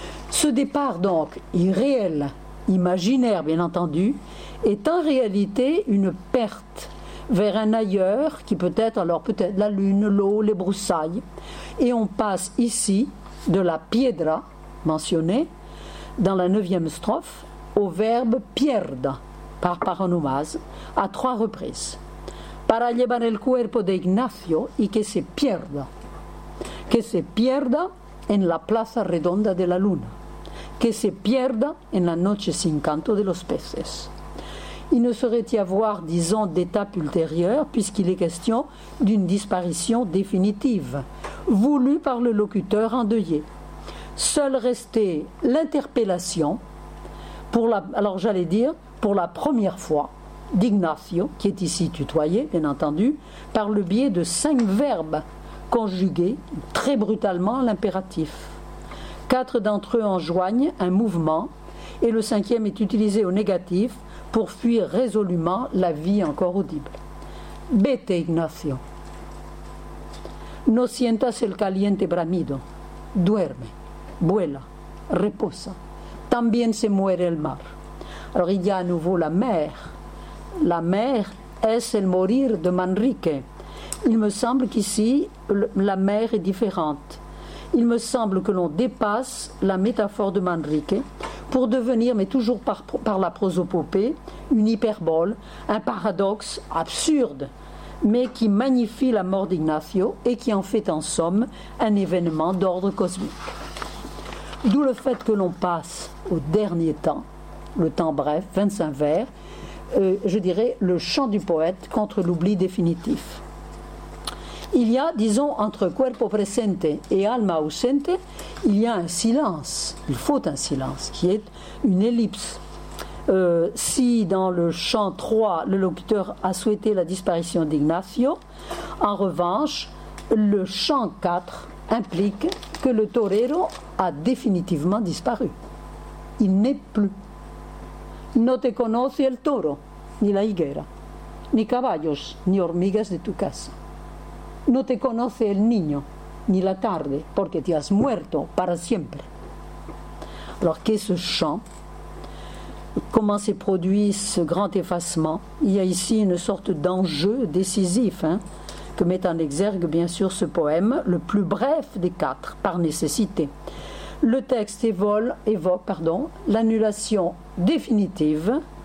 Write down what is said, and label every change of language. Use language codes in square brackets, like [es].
[fr] Ce départ donc, irréel, imaginaire bien entendu, est en réalité une perte vers un ailleurs qui peut être alors peut-être la lune, l'eau, les broussailles. Et on passe ici de la piedra mentionnée dans la neuvième strophe au verbe pierda par paronomase à trois reprises. [es] Para llevar el cuerpo de Ignacio y que se pierda en la plaza redonda de la luna, que se pierda en la noche sin canto de los peces. [fr] Il ne saurait y avoir, disons, d'étape ultérieure, puisqu'il est question d'une disparition définitive, voulue par le locuteur endeuillé. Seul restait l'interpellation, pour la première fois, d'Ignacio, qui est ici tutoyé, bien entendu, par le biais de cinq verbes conjugués très brutalement à l'impératif. Quatre d'entre eux enjoignent un mouvement, et le cinquième est utilisé au négatif pour fuir résolument la vie encore audible. [es] Vete, Ignacio. No sientas el caliente bramido. Duerme. Vuela. Reposa. También se muere el mar. [fr] Alors, il y a à nouveau la mer. La mer [es] es el morir de Manrique. [fr] Il me semble qu'ici, la mer est différente. Il me semble que l'on dépasse la métaphore de Manrique pour devenir, mais toujours par la prosopopée, une hyperbole, un paradoxe absurde, mais qui magnifie la mort d'Ignacio et qui en fait en somme un événement d'ordre cosmique. D'où le fait que l'on passe au dernier temps, le temps bref, 25 vers, le chant du poète contre l'oubli définitif. Il y a, disons, entre cuerpo presente et alma ausente, il y a un silence, il faut un silence, qui est une ellipse. Si dans le chant 3, le locuteur a souhaité la disparition d'Ignacio, en revanche, le chant 4 implique que le torero a définitivement disparu. Il n'est plus. [es] No te conoce el toro, ni la higuera, ni caballos, ni hormigas de tu casa. No te conoce el niño, ni la tarde, porque te has muerto para siempre. [fr] Alors, qu'est ce chant? Comment s'est produit ce grand effacement? Il y a ici une sorte d'enjeu décisif, hein, que met en exergue, bien sûr, ce poème, le plus bref des quatre, par nécessité. Le texte évoque l'annulation définitive.